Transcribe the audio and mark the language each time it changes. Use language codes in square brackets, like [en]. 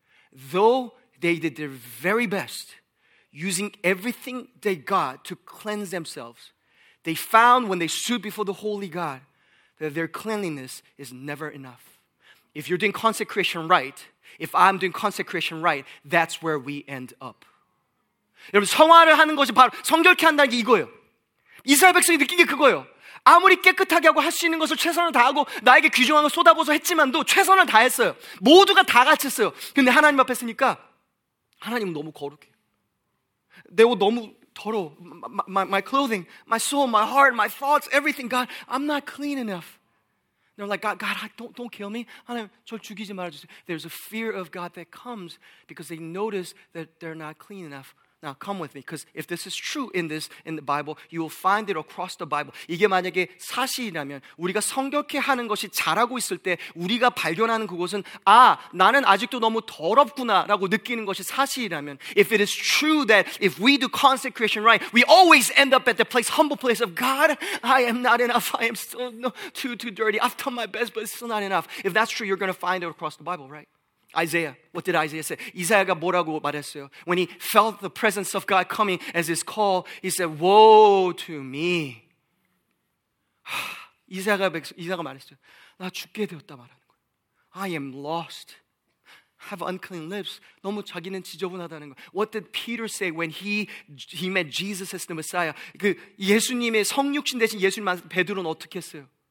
[en] Though they did their very best, using everything they got to cleanse themselves, they found when they stood before the holy God that their cleanliness is never enough. If you're doing consecration right, if I'm doing consecration right, that's where we end up. [ko] 여러분, 성화를 하는 것이 바로 성결케 한다는 게 이거예요. 이스라엘 백성이 느낀 게 그거예요. 아무리 깨끗하게 하고 할 수 있는 것을 최선을 다하고 나에게 귀중한 걸 쏟아부어서 했지만도 최선을 다했어요. 모두가 다 같이 했어요. 근데 하나님 앞에 있으니까 하나님은 너무 거룩해. 내 옷 너무 더러워. [en] My clothing, my soul, my heart, my thoughts, everything. God, I'm not clean enough. They're like, God, don't kill me. [ko] 하나님, 절 죽이지 말아주세요. [en] There's a fear of God that comes because they notice that they're not clean enough. Now come with me, because if this is true in the Bible, you will find it across the Bible. [ko] 이게 만약에 사실이라면 우리가 성결케 하는 것이 잘하고 있을 때 우리가 발견하는 그것은 아, 나는 아직도 너무 더럽구나 라고 느끼는 것이 사실이라면 [en] if it is true that if we do consecration right, we always end up at the place, humble place of God, I am not enough, I am still too dirty, I've done my best, but it's still not enough. If that's true, you're going to find it across the Bible, right? Isaiah, what did Isaiah say? [ko] 이사야가 뭐라고 말했어요? [en] When he felt the presence of God coming as his call, he said, woe to me. [ko] 이사야가 말했어요. 나 죽게 되었다 말하는 거예요. [en] I am lost. Have unclean lips. [ko] 너무 자기는 지저분하다는 거예요. [en] What did Peter say when he met Jesus as the Messiah? [ko] 그 예수님의 성육신 대신 예수님 베드로는 어떻게 했어요?